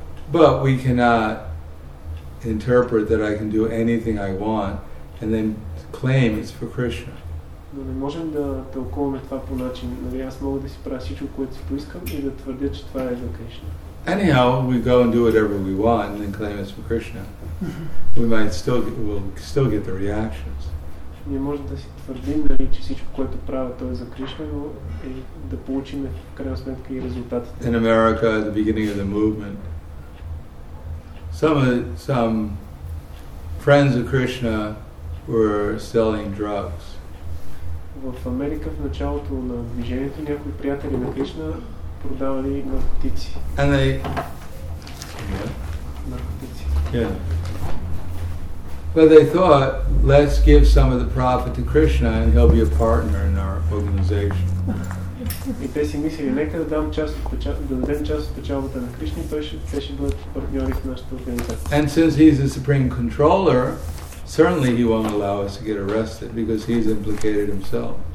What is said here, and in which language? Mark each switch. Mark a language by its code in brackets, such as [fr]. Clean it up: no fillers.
[en] But we cannot interpret that I can do anything I want and then claim it's for Krishna. [bg] Но не можем да тълкуваме това по начин. Нали, аз мога да си правя всичко, което си поискам и да твърдя, че това е за Кришна. [en] Anyhow, we go and do whatever we want and then claim it's for Krishna. We might still get, we'll still get the reactions. [bg] Не можем да си твърдим, нали, че всичко, което правя, то е за Кришна, но и да получим в крайна сметка и резултатите. [en] In America, at the beginning of the movement, some friends of Krishna were selling drugs. [bg] В Америка в началото на движението някои приятели на Кришна продавали наркотици. [en] And they... [bg] Наркотици. [en] Yeah. But they thought, let's give some of the profit to Krishna and he'll be a partner in our organization. [bg] И те си мислили, нека да дам част от печалбата, да дадем част от печалбата на Кришна и той ще бъде партньори в нашата организация. [en] And since he's the supreme controller, certainly he won't allow us to get arrested because he's implicated himself.